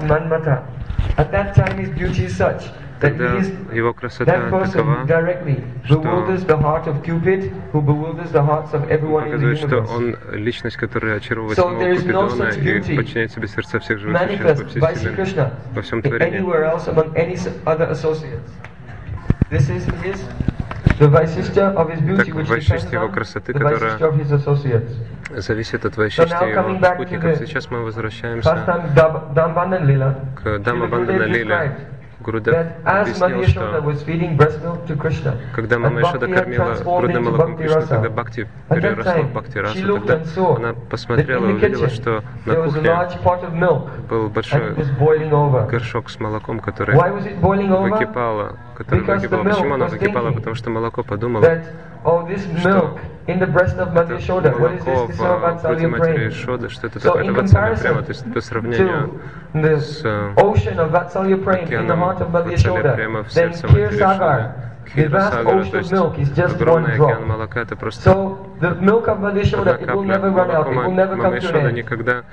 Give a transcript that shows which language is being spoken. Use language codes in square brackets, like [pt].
[en] At that time his beauty is such that that person directly bewilders the heart of Cupid, who bewilders the hearts of everyone in the universe. So there is no such beauty manifest by Sri Krishna anywhere else among any other associates. This is his the Vaishishtha of his beauty, which depends on the Vaishishtha of his associates. [ru] Зависит от Вайшишти и его спутников. Сейчас мы возвращаемся к Дамабандана Лиле. Гурудев объяснил, что когда мама Яшода кормила грудным молоком Кришну, тогда Бхакти переросла в Бхакти Расу. Тогда она посмотрела и увидела, что на кухне был большой горшок с молоком, который выкипал. Почему оно выкипало? Потому что молоко подумало, что [en] in the breast of Mother Yashoda, what is this Vatsalya Prema? So in comparison to the ocean of Vatsalya Prema in the heart of Mother Yashoda, then Kheersagar, the vast ocean of milk, is just one drop. So the milk of Mother Yashoda, it will never run out, it will never come to an end.